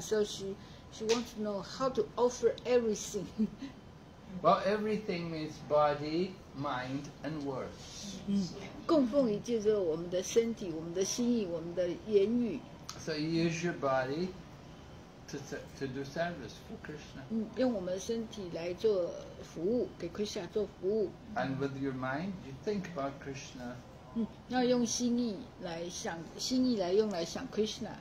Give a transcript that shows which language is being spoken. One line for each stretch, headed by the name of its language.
English: So she wants to know how to offer everything. Well, everything is body, mind, and words.
Chinese: 供奉于就是我们的身体，我们的心意，我们的言语。
English: So you use your body to do service for Krishna.
Chinese: 用我们的身体来做服务，给 Krishna 做服务。
English: And with your mind, you think about Krishna.
Chinese: 要用心意来想，心意来用来想 Krishna.